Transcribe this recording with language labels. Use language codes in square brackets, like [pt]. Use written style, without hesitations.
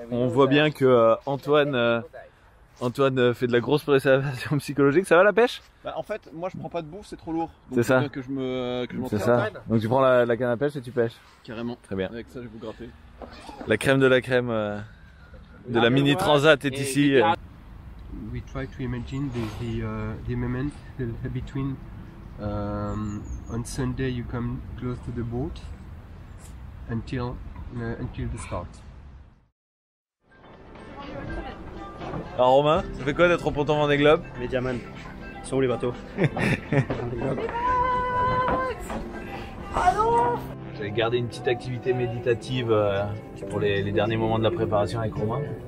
[fr] On voit bien que Antoine fait de la grosse préparation psychologique. Ça va la pêche? En fait, moi je prends pas de bouffe, c'est trop lourd. Donc, c'est ça. Que je me que c'est ça. Donc tu prends la canne à pêche et tu pêches. Carrément. Très bien. Avec ça, je vais vous gratter. La crème de la crème de la Mini Transat est ici. [en] We try to imagine the moment between on Sunday you come close to the boat until the start. [fr] Alors Romain, ça fait quoi d'être au ponton Vendée Globe? Les diamants. Sont où les bateaux? J'avais gardé une petite activité méditative pour les derniers moments de la préparation avec Romain.